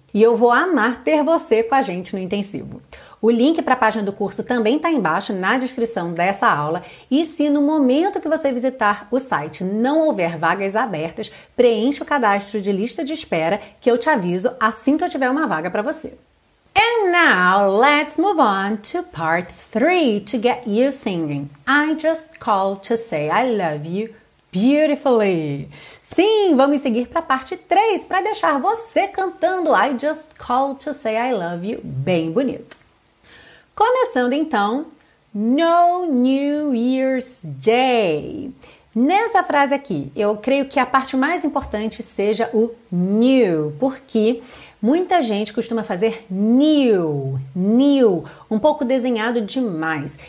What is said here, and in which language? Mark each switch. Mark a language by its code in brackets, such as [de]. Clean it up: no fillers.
[pt] E eu vou amar ter você com a gente no Intensivo. O link para a página do curso também está embaixo na descrição dessa aula. E se no momento que você visitar o site não houver vagas abertas, preencha o cadastro de lista de espera que eu te aviso assim que eu tiver uma vaga para você. [en] And now, let's move on to part 3 to get you singing. I just called to say I love you beautifully. [pt] Sim, vamos seguir para a parte 3 para deixar você cantando [en] I just called to say I love you [pt] bem bonito. Começando então, [en] No New Year's Day. [pt] Nessa frase aqui, eu creio que a parte mais importante seja o new, porque muita gente costuma fazer new, um pouco desenhado demais.